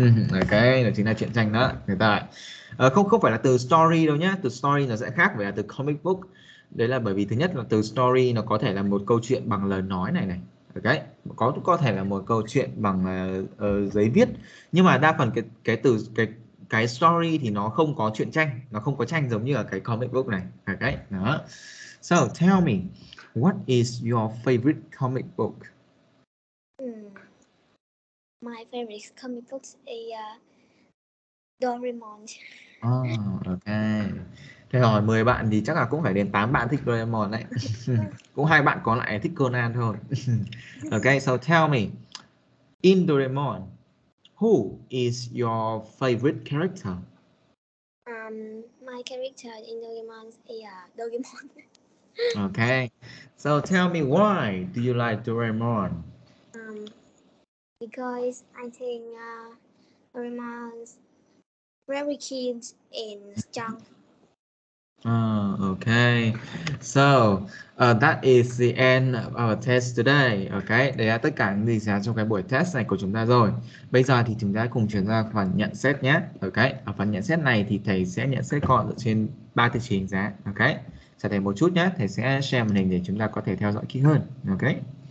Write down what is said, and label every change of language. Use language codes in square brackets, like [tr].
[vi] Ok, đó chính là truyện tranh đó. Người ta không không phải là từ story đâu nhá. Từ story nó sẽ khác với là từ comic book. Đấy là bởi vì thứ nhất là từ story nó có thể là một câu chuyện bằng lời nói này này. Ok, có thể là một câu chuyện bằng giấy viết. Nhưng mà đa phần cái story thì nó không có truyện tranh, nó không có tranh giống như là cái comic book này. Ok, đó. [en] So tell me, what is your favorite comic book? My favorite comic book is Doraemon. Ok. [vi] Thế hỏi 10 bạn thì chắc là cũng phải đến 8 bạn thích Doraemon đấy. Cũng hai bạn còn lại thích Conan thôi. [en] Ok, so tell me. In Doraemon, who is your favorite character? My character in Doraemon is Doraemon. Ok, so tell me why do you like Doraemon? Because I think Doraemon's very cute and strong. Okay. So, that is the end of our test today. [vi] Okay, đây là tất cả những gì xảy ra trong cái buổi test này của chúng ta rồi. Bây giờ thì chúng ta cùng chuyển sang phần nhận xét nhé. Okay, ở phần nhận xét này thì thầy sẽ nhận xét con dựa trên 3 tiêu chí đánh giá. Okay, chờ thầy một chút nhé, thầy sẽ share màn hình để chúng ta có thể theo dõi kỹ hơn. Okay.